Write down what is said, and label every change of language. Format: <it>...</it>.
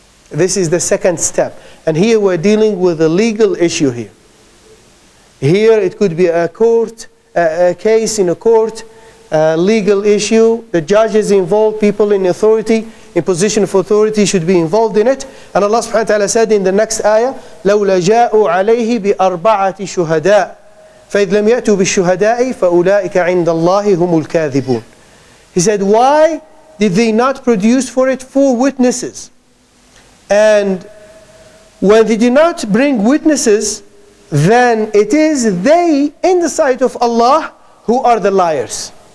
<en>This is the second step. And here we're dealing with a legal issue here. Here it could be a court, a case in a court, a legal issue. The judges involved, people in authority, in position of authority should be involved in it. And Allah subhanahu wa ta'ala said in the next ayah,</en> <ar>لَوْلَ جَاءُوا عَلَيْهِ بِأَرْبَعَةِ شُهَدَاءِ فَإِذْ لَمْ يَأْتُوا بِالشُهَدَاءِ فَأُولَٰئِكَ عِنْدَ اللَّهِ هُمُ الْكَاذِبُونَ.</ar> <en>He said, why did they not produce for it four witnesses? And when they did not bring witnesses, then it is they in the sight of Allah who are the liars.</en>